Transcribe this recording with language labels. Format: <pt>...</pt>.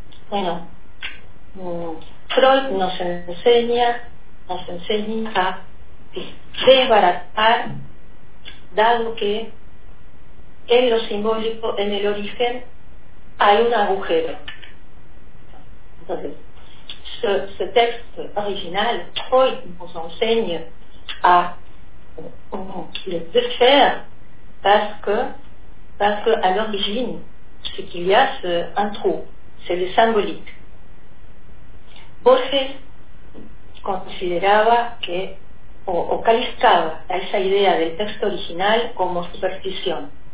<es>Bueno, Freud nos enseña a desbaratar, dado que en lo simbólico, en el origen, hay un agujero. Entonces,</es> <fr>ce texte original, Freud nous enseigne à le défaire parce que à l'origine, ce qu'il y a, c'est un trou, c'est le symbolique.</fr> <es>Borges considérava que, o calificaba a esa idea del texto original como superstición.</es>